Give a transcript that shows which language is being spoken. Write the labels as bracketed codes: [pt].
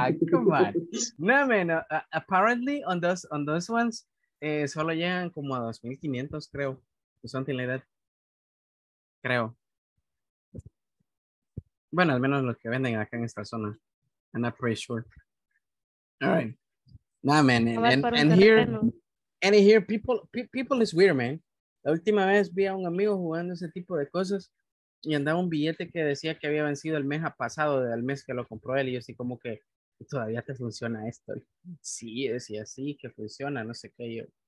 [en] Come on. No, man. Apparently, on those ones, [es] solo llegan como a 2,500, creo. [en] Something like that. Creo. [es] Bueno, al menos los que venden acá en esta zona. [en] I'm not pretty sure. All right. Nah, man, and here people is weird, man. [es] La última vez vi a un amigo jugando ese tipo de cosas y andaba un billete que decía que había vencido el mes pasado del mes que lo compró él, y yo así como que todavía te funciona esto. Sí, decía, sí, que funciona, no sé qué, yo.